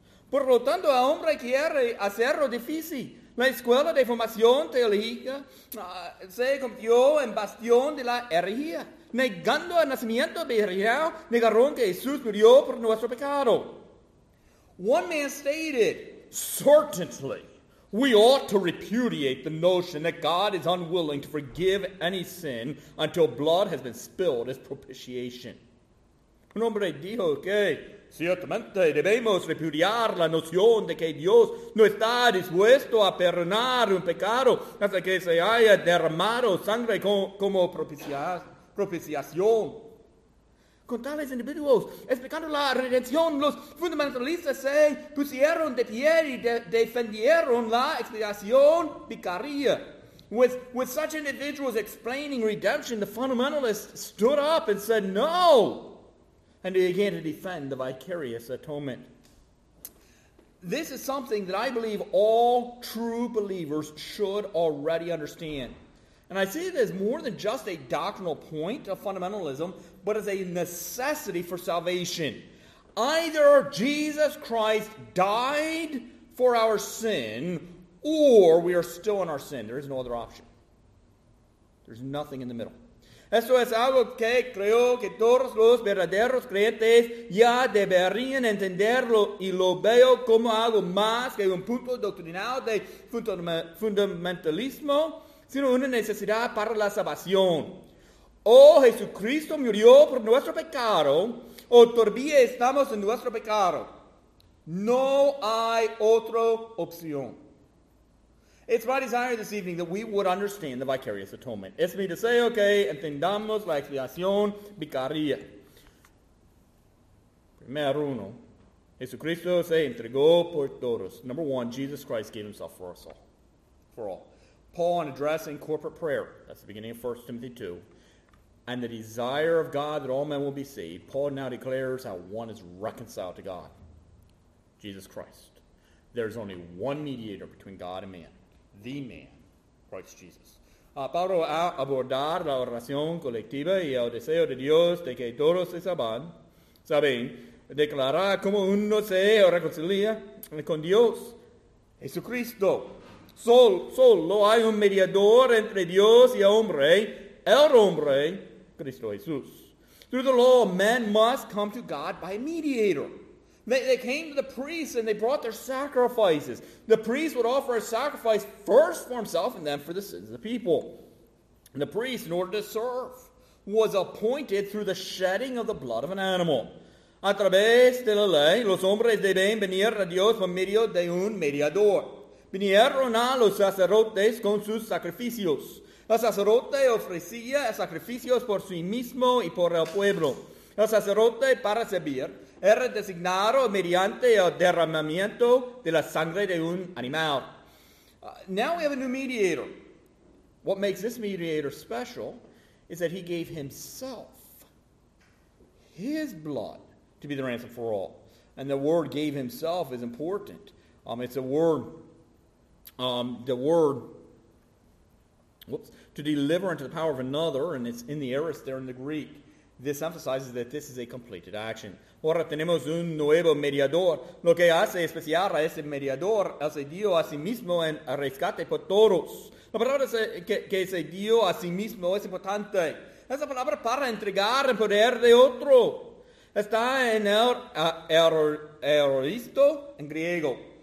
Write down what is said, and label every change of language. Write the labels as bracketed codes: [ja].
[es] Por lo tanto, el hombre quiere hacerlo difícil. La escuela de formación teológica se convirtió en bastión de la herejía. Negando el nacimiento de Israel, negaron que Jesús murió por nuestro pecado. [en] One man stated, "Certainly, we ought to repudiate the notion that God is unwilling to forgive any sin until blood has been spilled as propitiation." [es] Un hombre dijo que ciertamente debemos repudiar la noción de que Dios no está dispuesto a perdonar un pecado hasta que se haya derramado sangre como propiciación. Con tales individuos, explicando la redención, los fundamentalistas se pusieron de pie y defendieron la expiación vicaria. [en] With such individuals explaining redemption, the fundamentalists stood up and said no, and they began to defend the vicarious atonement. This is something that I believe all true believers should already understand. And I see it as more than just a doctrinal point of fundamentalism, but as a necessity for salvation. Either Jesus Christ died for our sin, or we are still in our sin. There is no other option. There's nothing in the middle. [es] Esto es algo que creo que todos los verdaderos creyentes ya deberían entenderlo, y lo veo como algo más que un punto doctrinal de fundamentalismo, sino una necesidad para la salvación. O Jesucristo murió por nuestro pecado, o todavía estamos en nuestro pecado. No hay otra opción. [en] It's my desire this evening that we would understand the vicarious atonement. [es] Es mi deseo que entendamos la expiación vicaria. Primer uno, Jesucristo se entregó por todos. [en] Number one, Jesus Christ gave himself for us all. For all. Paul, in addressing corporate prayer, that's the beginning of 1 Timothy 2, and the desire of God that all men will be saved, Paul now declares how one is reconciled to God. Jesus Christ. There is only one mediator between God and man. The man, Christ Jesus. [es] Pablo va a abordar la oración colectiva y el deseo de Dios de que todos se salvan, saben, declarar cómo uno se reconcilia con Dios. Jesucristo. Solo hay un mediador entre Dios y el hombre, Cristo Jesús. [en] Through the law, men must come to God by a mediator. They came to the priests and they brought their sacrifices. The priest would offer a sacrifice first for himself and then for the sins of the people. And the priest, in order to serve, was appointed through the shedding of the blood of an animal. [es] A través de la ley, los hombres deben venir a Dios por medio de un mediador. Vinieron a los sacerdotes con sus sacrificios. El sacerdote ofrecía sacrificios por sí mismo y por el pueblo. El sacerdote, para servir, era designado mediante el derramamiento de la sangre de un animal. [en] Now we have a new mediator. What makes this mediator special is that he gave himself, his blood, to be the ransom for all. And the word "gave himself" is important. It's a word, to deliver into the power of another, and it's in the aorist there in the Greek. This emphasizes that this is a completed action. [es] Ahora tenemos un nuevo mediador. Lo que hace especial a ese mediador es que dio a sí mismo en rescate por todos. La palabra que se dio a sí mismo es importante. Esa palabra para entregar el poder de otro. Está en aoristo en griego.